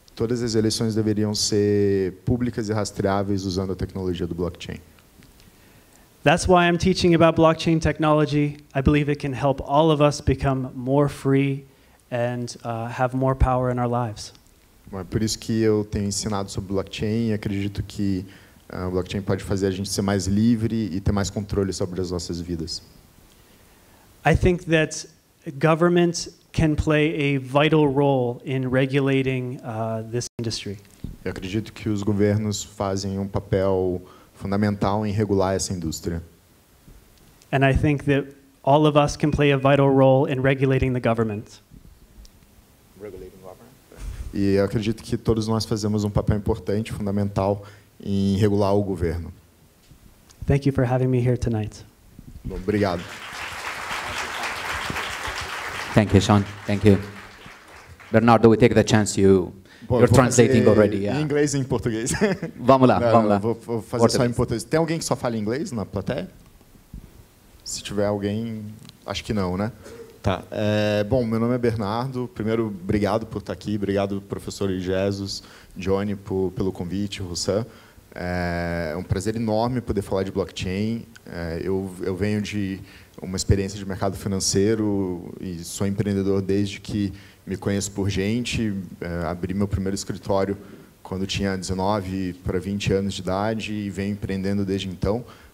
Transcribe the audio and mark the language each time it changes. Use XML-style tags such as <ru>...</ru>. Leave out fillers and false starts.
<pt>Todas as eleições deveriam ser públicas e rastreáveis usando a tecnologia do blockchain.</pt> <en>That's why I'm teaching about blockchain technology. I believe it can help all of us become more free and have more power in our lives.</en> <pt>É por isso que eu tenho ensinado sobre blockchain. Acredito que blockchain pode fazer a gente ser mais livre e ter mais controle sobre as nossas vidas.</pt> <en>I think that government can play a vital role in regulating this industry.</en> <pt>Eu acredito que os governos fazem um papel fundamental em regular essa indústria.</pt> <en>And I think that all of us can play a vital role in regulating the government. Regulating government.</en> <pt>E eu acredito que todos nós fazemos um papel importante, fundamental em regular o governo.</pt> <en>Thank you for having me here tonight.</en> <pt>Bom, obrigado.</pt> <en>Thank you, Sean. Thank you. Bernardo, we take the chance you you're translating already, yeah.</en> <pt>Em inglês e em português. Vamos lá, vamos lá. Vou fazer português. Só em português. Tem alguém que só fala inglês na plateia? Se tiver alguém, acho que não, né? Tá. Bom, meu nome é Bernardo. Primeiro, obrigado por estar aqui. Obrigado, professor Jesus, Johnny, pelo convite, Roussan. É um prazer enorme poder falar de blockchain. Eu venho de uma experiência de mercado financeiro e sou empreendedor desde que me conheço por gente, abri meu primeiro escritório quando tinha 19 para 20 anos de idade e venho empreendendo desde então.</pt>